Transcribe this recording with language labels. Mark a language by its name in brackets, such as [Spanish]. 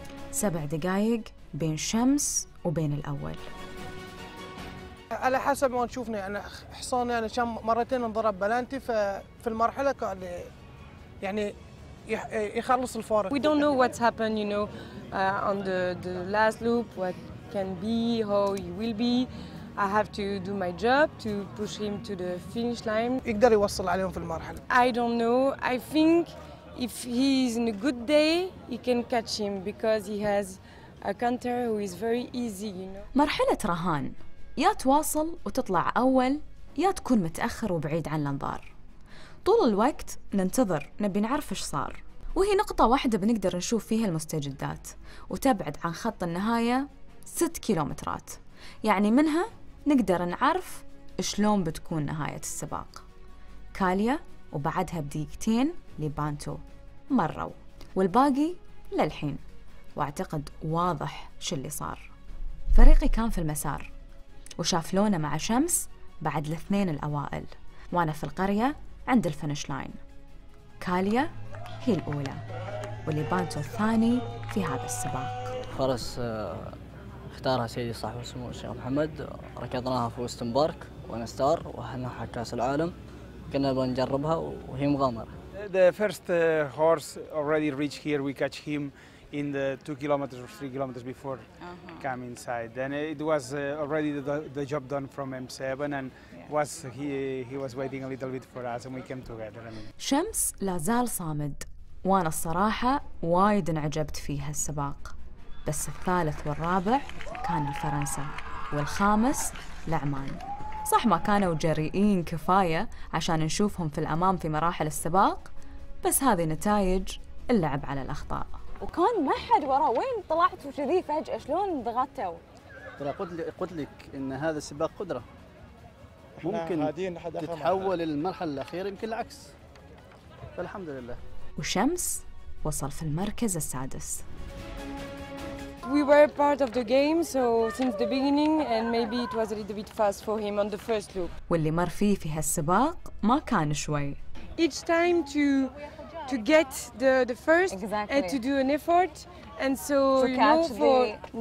[Arabic] 7 دقائق بين شمس وبين الأول. على حسب ما نشوفنا يعني حصان يعني كم مرتين انضرب بلانتي ففي المرحله كان يعني يخلص الفارق. [English] We don't know what's happened, you know, on the last loop, what can be, how he will be. I have to do my job to push him to the finish line. [Arabic] يقدر يوصل عليهم في المرحله. [English] I don't know. I think if he is in a good day, he can catch him because he has a counter who is very easy, you know. [Arabic] مرحلة رهان، يا تواصل وتطلع أول، يا تكون متأخر وبعيد عن الأنظار. طول الوقت ننتظر، نبي نعرف إيش صار. وهي نقطة واحدة بنقدر نشوف فيها المستجدات، وتبعد عن خط النهاية 6 كيلومترات. يعني منها نقدر نعرف شلون بتكون نهاية السباق. كاليا وبعدها بدقيقتين لبانتو مروا، والباقي للحين. وأعتقد واضح شو اللي صار. فريقي كان في المسار وشاف لونة مع شمس بعد الاثنين الأوائل، وأنا في القرية عند الفينش لاين. كاليا هي الأولى وليبانتو الثاني في هذا السباق. فرس اختارها سيدي صاحب السمو الشيخ محمد، ركضناها في وستن بارك ونستار وحلناها كأس العالم، كنا بنجربها وهي مغامرة. [English] The first horse already reached here, we catch him in the 2 kilometers or 3 kilometers before come inside. Then it was already the job done from M7 and was he was waiting a little bit for us and we came together. [Arabic] شمس لازال صامد، وأنا الصراحة وايد انعجبت فيها السباق. بس الثالث والرابع كان الفرنسا، والخامس لعمان. صح ما كانوا جريئين كفاية عشان نشوفهم في الأمام في مراحل السباق، بس هذه نتائج اللعب على الأخطاء. وكان ما حد ورا، وين طلعت وشذي فجأة؟ شلون ضغطتوا؟ ترى قلت لك ان هذا السباق قدرة، ممكن تتحول للمرحلة الأخيرة يمكن العكس، فالحمد لله. وشمس وصل في المركز السادس. [English] We were part of the game so since the beginning and maybe it was a little bit fast for him on the first loop. [Arabic] واللي مر فيه في هالسباق ما كان شوي. [English] Each time to get the first exactly. And to do an effort and so to you know for the...